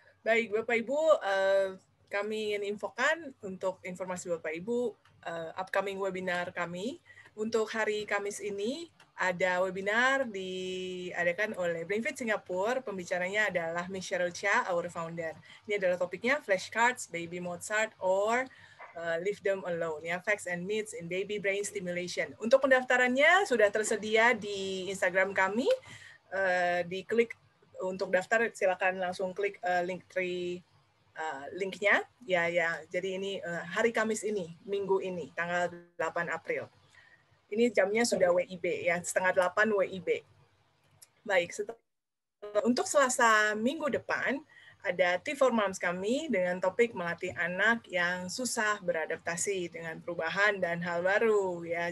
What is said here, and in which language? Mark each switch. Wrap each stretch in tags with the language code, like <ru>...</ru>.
<id>Baik, Bapak Ibu, kami ingin infokan untuk informasi Bapak Ibu upcoming webinar kami. Untuk hari Kamis ini ada webinar diadakan oleh BrainFit Singapura. Pembicaranya adalah Miss Cheryl Chia, our founder. Ini adalah topiknya flashcards, baby Mozart, or leave them alone.</id> <en>Ya, facts and myths in baby brain stimulation.</en> <id>Untuk pendaftarannya sudah tersedia di Instagram kami. Di klik untuk daftar, silakan langsung klik linktree. Linknya ya ya, jadi ini hari Kamis ini, minggu ini, tanggal 8 April. Ini jamnya sudah WIB ya, 7:30 WIB. Baik, untuk Selasa minggu depan ada Tea for Moms kami dengan topik melatih anak yang susah beradaptasi dengan perubahan dan hal baru ya.</id>